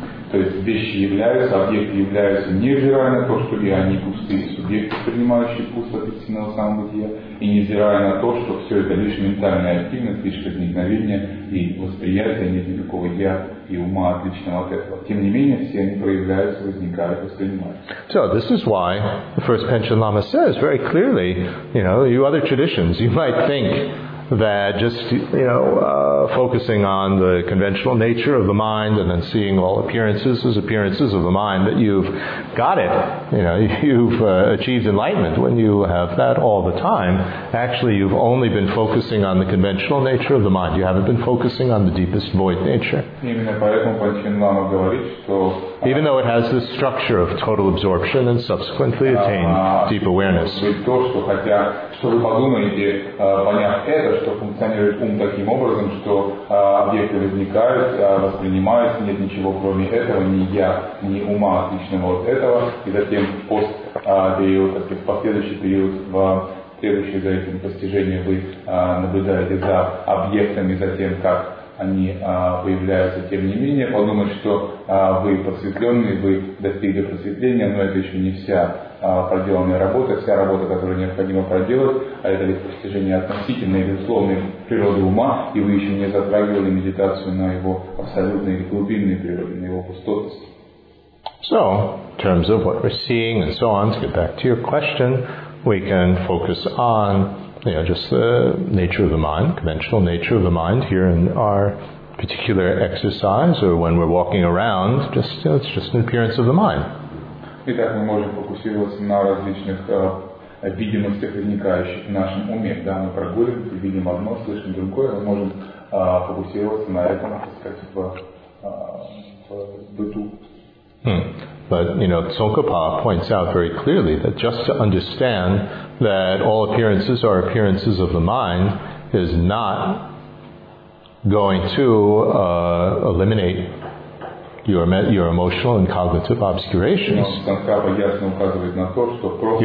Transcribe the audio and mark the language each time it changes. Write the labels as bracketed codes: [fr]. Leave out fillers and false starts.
[ru] То есть вещи являются, объекты являются невзирая на то, что ли они пустые субъекты, принимающие вкус от истинного самобытия, и невзирая на то, что все это лишь ментальная активность, лишь возникновение и восприятие, нет никакого я и ума отличного от этого. Тем не менее, все они проявляются, возникают, воспринимаются. [en] So, this is why the first Panchen Lama says very clearly, you know, you other traditions, you might think that just, you know, focusing on the conventional nature of the mind and then seeing all appearances as appearances of the mind, that you've got it, you know, you've achieved enlightenment. When you have that all the time, actually you've only been focusing on the conventional nature of the mind. You haven't been focusing on the deepest void nature. Even though it has this structure of total absorption and subsequently attained deep awareness. [ru] Что вы подумаете, поняв это, что функционирует ум таким образом, что объекты возникают, воспринимаются, нет ничего кроме этого, ни я, ни ума отличного от этого, и затем постпериод, так сказать, последующий период, в следующий за этим постижением вы наблюдаете за объектами, за тем, как они появляются, тем не менее, подумать, что вы просветленные, вы достигли просветления, но это еще не вся проделанная работа, вся работа, которую необходимо проделать, а это лишь постижение относительной, безусловной природы ума, и вы еще не затрагивали медитацию на его абсолютной или глубинной природе, на его пустотности. [en] So, in terms of what we're seeing and so on, to get back to your question, we can focus on, you know, just the nature of the mind, conventional nature of the mind here in our particular exercise, or when we're walking around, just, you know, it's just an appearance of the mind. [ru] Итак, мы можем фокусироваться на различных видимостях, возникающих в нашем уме. Да, мы прогуливаемся, видим одно, слышим другое, мы можем фокусироваться на этом, так сказать, в быту. [en] But, you know, Tsongkhapa points out very clearly that just to understand that all appearances are appearances of the mind is not going to eliminate your emotional and cognitive obscurations. [ru] Tsongkhapa ясно указывает на то, что просто...